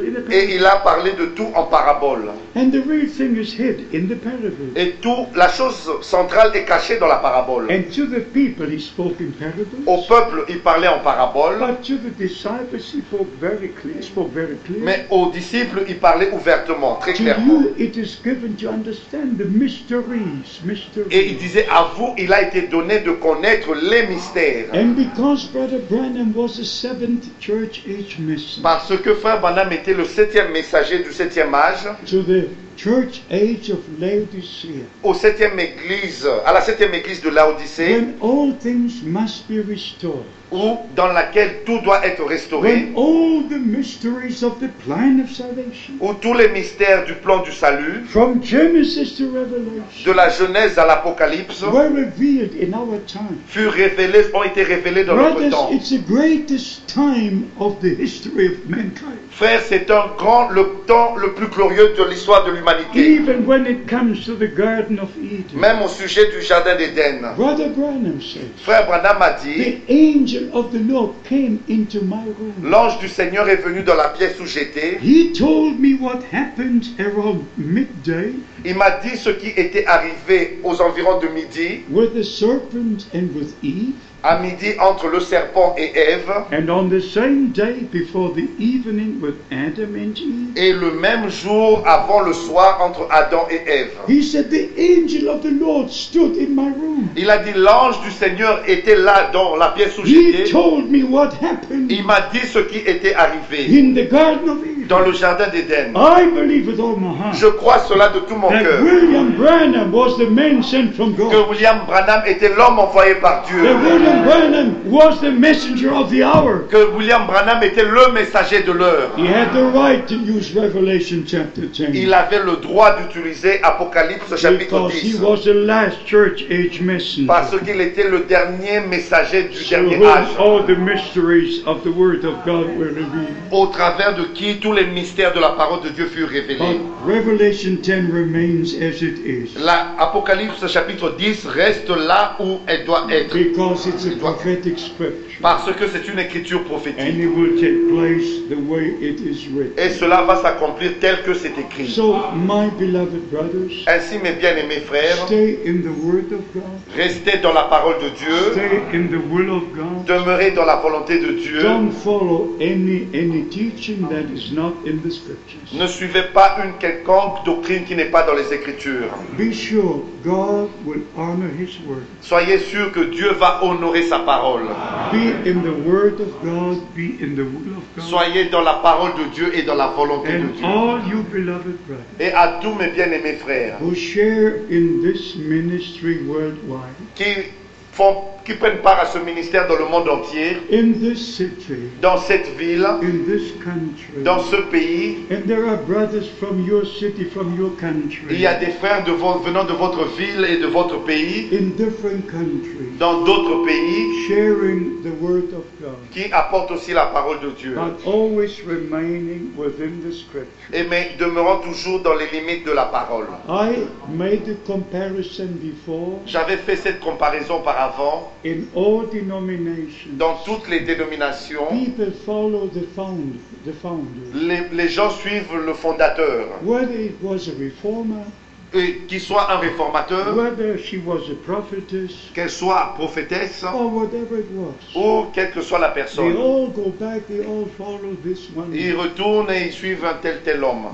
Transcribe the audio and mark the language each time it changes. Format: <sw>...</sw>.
<fr>Et il a parlé de tout en parabole.</fr> <en>And the real thing is hid in the parable.</en> <fr>Et tout, la chose centrale est cachée dans la parabole.</fr> <en>And to the people he spoke in parables.</en> <fr>Au peuple, il parlait en parabole.</fr> <en>But to the disciples he spoke very clear,</en> <fr>Mais aux disciples, il parlait ouvertement, très</fr> <en>to</en> <fr>clairement.</fr> <en>You, it is given to understand the mysteries,</en> <fr>Et il disait, à vous, il a été donné de connaître les mystères.</fr> <en>And because Brother Branham was a seventh church age messenger.</en> <fr>Parce que Frère Branham était le septième messager du septième âge.</fr> <en>To the church age of Laodicea.</en> <fr>Au septième église, à la septième église de Laodicée.</fr> <en>When all things must be restored.</en> <fr>Ou dans laquelle tout doit être restauré.</fr> <en>When all the mysteries of the plan of salvation.</en> <fr>Ou tous les mystères du plan du salut.</fr> <en>From Genesis to Revelation.</en> <fr>De la Genèse à l'Apocalypse.</fr> <en>Were revealed in our time.</en> <fr>Furent révélés, ont été révélés dans</fr> <en>Brothers,</en> <fr>notre temps.</fr> <en>It's the greatest time of the history of mankind.</en> <fr>Frère, c'est un grand, le temps le plus glorieux de l'histoire de l'humanité.</fr> <en>Even when it comes to the Garden of Eden.</en> <fr>Même au sujet du Jardin d'Éden.</fr> <en>Brother Branham said,</en> <fr>Frère Branham a dit,</fr> <en>the angel of the Lord came into my room.</en> <fr>L'ange du Seigneur est venu dans la pièce où j'étais.</fr> <en>He told me what happened around midday.</en> <fr>Il m'a dit ce qui était arrivé aux environs de midi.</fr> <en>With the serpent and with Eve.</en> <fr>À midi entre le serpent et Ève.</fr> <en>And on the same day before the evening with Adam and Eve.</en> <fr>Et le même jour avant le soir entre Adam et Ève.</fr> <en>He said the angel of the Lord stood in my room.</en> <fr>Il a dit l'ange du Seigneur était là dans la pièce où</fr> <en>He</en> <fr>j'étais.</fr> <en>He told me what happened.</en> <fr>Il m'a dit ce qui était arrivé.</fr> <en>In the Garden of Eden.</en> <fr>Dans le jardin d'Éden.</fr> <en>I believe with all my heart.</en> <fr>Je crois cela de tout mon</fr> <en>that</en> <fr>cœur.</fr> <en>William Branham was the man sent from God.</en> <fr>Que William Branham était l'homme envoyé par Dieu.</fr> <en>William Branham was the messenger of the hour.</en> <fr>Que William Branham était le messager de l'heure.</fr> <en>He had the right to use Revelation chapter 10.</en> <fr>Il avait le droit d'utiliser Apocalypse chapitre 10.</fr> <en>Because he was the last church age messenger.</en> <fr>Parce qu'il était le dernier messager du dernier âge.</fr> <en>All the mysteries of the word of God were revealed.</en> <fr>Au travers de qui tous les mystères de la parole de Dieu furent révélés.</fr> <en>But Revelation 10 remains as it is.</en> <fr>La Apocalypse chapitre 10 reste là où elle doit être.</fr> <en>Because It's a prophetic scripture.</en> <fr>Parce que c'est une écriture prophétique.</fr> <en>And it will take place the way it is written.</en> <fr>Et cela va s'accomplir tel que c'est écrit.</fr> <en>So, my beloved brothers,</en> <fr>ainsi mes bien-aimés frères,</fr> <en>stay in the word of God.</en> <fr>Restez dans la parole de Dieu.</fr> <en>Stay in the will of God.</en> <fr>Demeurez dans la volonté de Dieu.</fr> <en>Don't follow any teaching that is not in the scriptures.</en> <fr>Ne suivez pas une quelconque doctrine qui n'est pas dans les écritures.</fr> <en>Be sure God will honor his word.</en> <fr>Soyez sûr que Dieu va honorer sa parole.</fr> <en>Be in the word of God, be in the will of God.</en> <fr>Soyez dans la parole de Dieu et dans la volonté</fr> <en>and</en> <fr>de Dieu.</fr> <en>All you beloved brothers,</en> <fr>et à tous mes bien-aimés frères</fr> <en>who share in this ministry worldwide,</en> <fr>qui prennent part à ce ministère dans le monde entier,</fr> <en>in this city,</en> <fr>dans cette ville,</fr> <en>in this country,</en> <fr>dans ce pays.</fr> <en>And there are brothers from your city, from your country,</en> <fr>il y a des frères venant de votre ville et de votre pays,</fr> <en>in different countries,</en> <fr>dans d'autres pays,</fr> <en>sharing the word of God,</en> <fr>qui apportent aussi la parole de Dieu,</fr> <en>but always remaining within the scripture.</en> <fr>Et mais demeurant toujours dans les limites de la parole.</fr> <en>I made a comparison before,</en> <fr>j'avais fait cette comparaison auparavant.</fr> <en>In all denominations,</en> <fr>dans toutes les dénominations,</fr> <en>people follow the founder.</en> <fr>Les gens suivent le fondateur.</fr> <en>Whether it was a reformer,</en> <fr>et qu'il soit un réformateur,</fr> <en>whether she was a prophetess,</en> <fr>qu'elle soit prophétesse,</fr> <en>or whatever it was,</en> <fr>ou quelle que soit la personne,</fr> <en>they all go back, they all follow this one.</en> <fr>Ils retournent et ils suivent un tel homme.</fr>